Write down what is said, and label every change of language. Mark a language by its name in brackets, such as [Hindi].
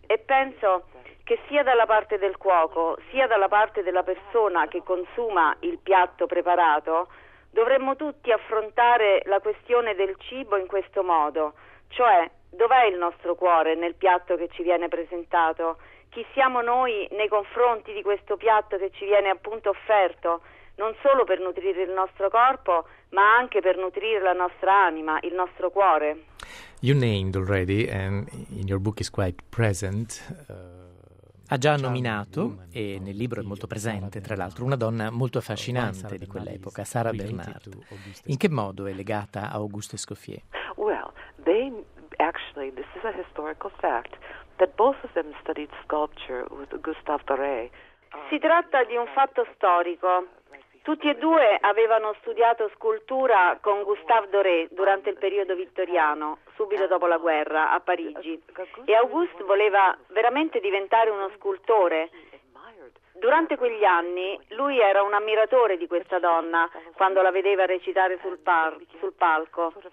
[Italian] E penso che sia dalla parte del cuoco, sia dalla parte della persona che consuma il piatto preparato, dovremmo tutti affrontare la questione del cibo in questo modo, cioè dov'è il nostro cuore nel piatto che ci viene presentato, chi siamo noi nei confronti di questo piatto che ci viene appunto offerto, non solo per nutrire il nostro corpo, ma anche per nutrire la nostra anima, il nostro cuore. [English] You named already, and in your book is quite present. [Italian] Ha già nominato, e nel libro è molto presente, tra l'altro, una donna molto affascinante di quell'epoca, Sarah Bernhardt. In che modo è legata a Auguste Escoffier? [English] Well, they actually, this is a historical fact, that both of them studied sculpture with Gustave Doré. [Italian] Si tratta di un fatto storico. Tutti e due avevano studiato scultura con Gustave Doré durante il periodo vittoriano, subito dopo la guerra, a Parigi. E Auguste voleva veramente diventare uno scultore. Durante quegli anni lui era un ammiratore di questa donna quando la vedeva recitare sul palco.